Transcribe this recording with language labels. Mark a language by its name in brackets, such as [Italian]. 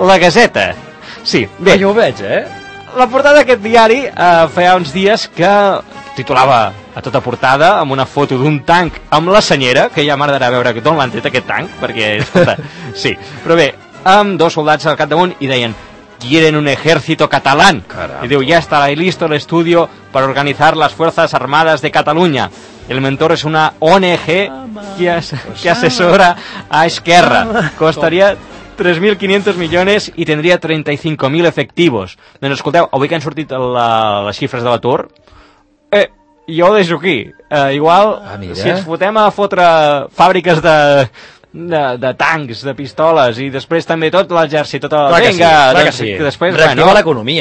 [Catalan] La Gaceta. Sí, bé. Jo ho veig, eh? La portada d'aquest diari feia uns dies que titulava a tota portada amb una foto d'un tanc amb la senyera, que ja m'agradarà veure d'on l'han tret aquest tanc, perquè, escolta, sí. Però bé, amb dos soldats al capdamunt i deien... [Spanish] Quieren un ejército catalán. Caramba. Y digo, ya está listo el estudio para organizar las Fuerzas Armadas de Cataluña. El mentor es una ONG que asesora a Esquerra. Costaría 3.500 millones y tendría 35.000 efectivos. [Catalan] Bueno, escolteu, avui que han sortit les xifres de l'atur, jo ho deixo aquí. Igual, si ens fotem a fotre fàbriques de tancs, de pistoles, i després també tot l'exèrcit, tot el... Clar que vinga, sí, clar doncs, que sí. Després, reactiva bueno, l'economia.